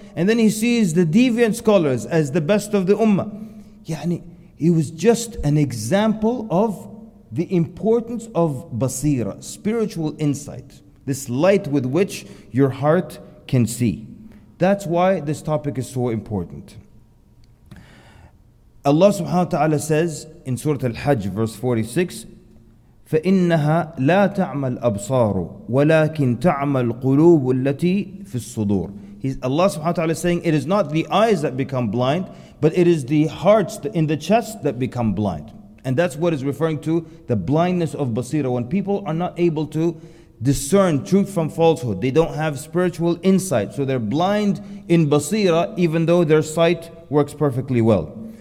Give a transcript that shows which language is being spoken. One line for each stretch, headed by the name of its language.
English: And then he sees the deviant scholars as the best of the ummah. Yani, he was just an example of the importance of basira, spiritual insight. This light with which your heart can see. That's why this topic is so important. Allah subhanahu wa ta'ala says in Surah Al-Hajj, verse 46,
Arabic: فَإِنَّهَا لَا تَعْمَ الْأَبْصَارُ وَلَكِنْ تَعْمَ الْقُلُوبُ الَّتِي فِي الصُّدُورِ.
English: Allah subhanahu wa ta'ala is saying, it is not the eyes that become blind, but it is the hearts in the chest that become blind. And that's what is referring to the blindness of basira, when people are not able to discern truth from falsehood. They don't have spiritual insight. So they're blind in basira, even though their sight works perfectly well.